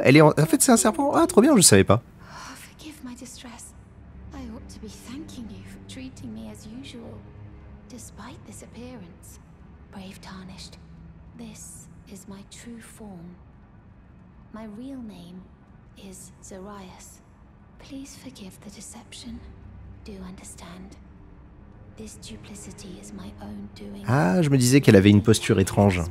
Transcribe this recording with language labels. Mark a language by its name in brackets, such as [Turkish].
[French] Elle est en fait, c'est un serpent. Ah, trop bien, je savais pas. [English] Oh, forgive my distress. I ought to be thanking you for treating me as usual, despite this appearance. Brave tarnished. This is my true form. My real name is Zarius. Please forgive the deception. Do understand? This duplicity is my own doing. [French] Ah, je me disais qu'elle avait une posture étrange.